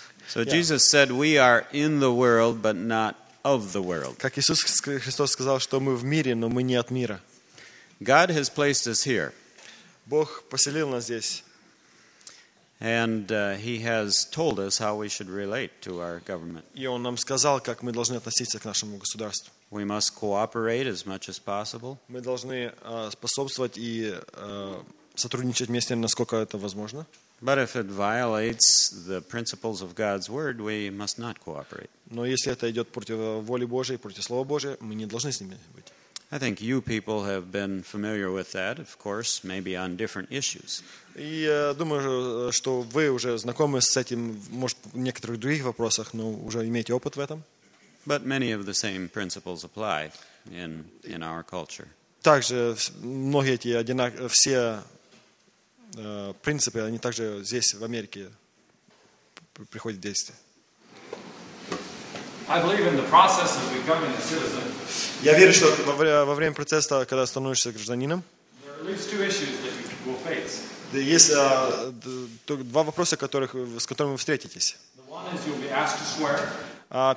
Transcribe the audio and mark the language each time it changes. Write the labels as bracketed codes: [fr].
[en] So Jesus said, "We are in the world, but not of the world." [ru] Как Иисус Христос сказал, что мы в мире, но мы не от мира. [en] God has placed us here. [ru] Бог поселил нас здесь. [en] And He has told us how we should relate to our government. [ru] И Он нам сказал, как мы должны относиться к нашему государству. [en] We must cooperate as much as possible. [ru] Мы должны способствовать и сотрудничать вместе, насколько это возможно. [en] But if it violates the principles of God's word, we must not cooperate. [ru] Но если это идет против воли Божьей, против слова Божьего, мы не должны с ними быть. [en] I think you people have been familiar with that, of course, maybe on different issues. [ru] Я думаю, что вы уже знакомы с этим, может, в некоторых других вопросах, но уже имеете опыт в этом. [en] But many of the same principles apply in our culture. [ru] Также многие эти все принципы, они также здесь в Америке приходят в действие. [en] I believe in the process of becoming a citizen. [ru] Я верю, что во время процесса, когда становишься гражданином, [en] there are at least two issues that you will face. [ru] Есть два вопроса, с которыми вы встретитесь. [en] The one is you'll be asked to swear.